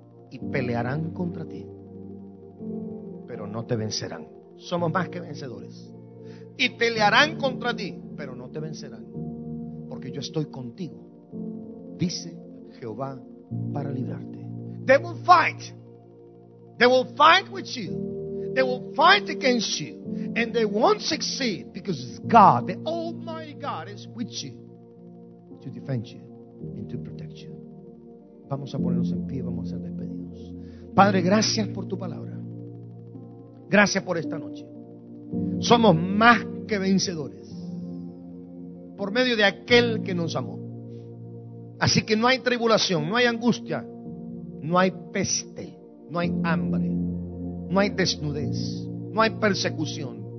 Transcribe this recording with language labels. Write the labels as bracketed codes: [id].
[es] Y pelearán contra ti, pero no te vencerán. Somos más que vencedores. Y pelearán contra ti, pero no te vencerán. Porque yo estoy contigo, dice Jehová, para librarte. [en] They will fight. They will fight with you. They will fight against you. And they won't succeed because God, the Almighty God, is with you to defend you and to protect you. [es] Vamos a ponernos en pie, vamos a ser despedidos. Padre, gracias por tu palabra. Gracias por esta noche. Somos más que vencedores por medio de aquel que nos amó. Así que no hay tribulación, no hay angustia, no hay peste, no hay hambre, no hay desnudez, no hay persecución.